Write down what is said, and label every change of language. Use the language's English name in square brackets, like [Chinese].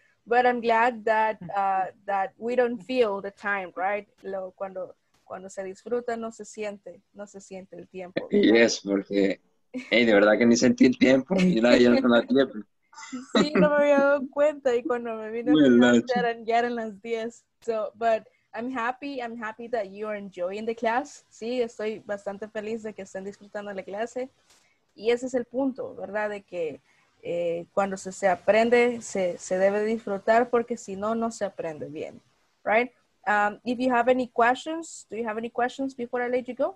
[English] But I'm glad that that we don't feel the time, right? [Spanish] Cuando se disfruta, no se siente el tiempo. [English] Yes, [Spanish] porque hey, de verdad que ni sentí el tiempo. Ya no tengo tiempo. Sí, no me había dado cuenta. Y cuando me vine, ya eran las 10. [English] So, but I'm happy that you are enjoying the class. [Spanish] Sí, estoy bastante feliz de que estén disfrutando la clase. Y ese es el punto, ¿verdad? De que cuando se aprende, se debe disfrutar, porque si no, no se aprende bien, [English] right? If you have any questions, do you have any questions before I let you go?